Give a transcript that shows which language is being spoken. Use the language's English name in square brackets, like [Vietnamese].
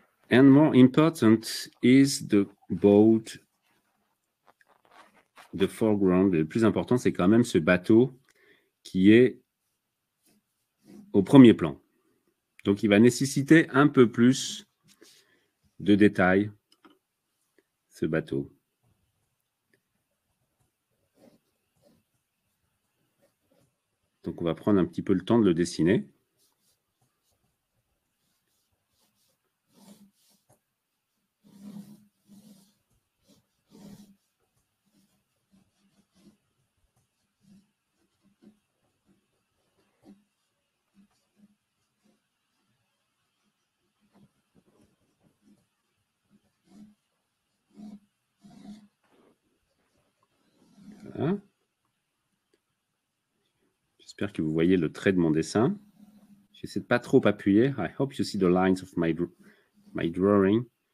[English] And more important is the boat, the foreground. [French] Le plus important, c'est quand même ce bateau qui est au premier plan. Donc, il va nécessiter un peu plus de détails. Ce bateau. Donc, on va prendre un petit peu le temps de le dessiner. J'espère que vous voyez le trait de mon dessin. J'essaie de pas trop appuyer. [English] I hope you see the lines of my drawing.